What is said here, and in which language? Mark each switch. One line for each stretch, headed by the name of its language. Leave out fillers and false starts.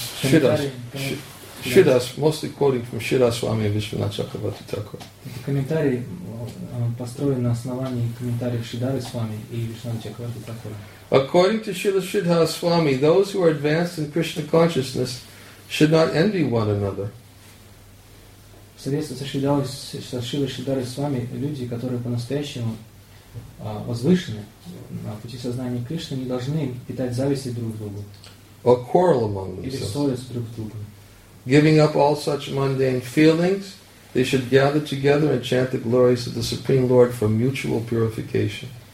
English: Shridhar, mostly quoting from Shridhar Swami and Vishwanath Chakravarti Thakur. The commentary
Russian: построен на основании комментариев Шридхары Свами и Вишванатха Чакраварти Такура.
English: According to Shridhar Swami, those who are advanced in Krishna consciousness should not envy one another.
Russian: Соответственно, Шридхары Свами, люди, которые по-настоящему возвышены на пути сознания Кришны, не должны питать зависть друг к другу.
English: Or quarrel among themselves.
Russian: Или ссориться друг с другом.
English: Giving up all such mundane feelings, they should gather together and chant the glories of the Supreme Lord for mutual purification.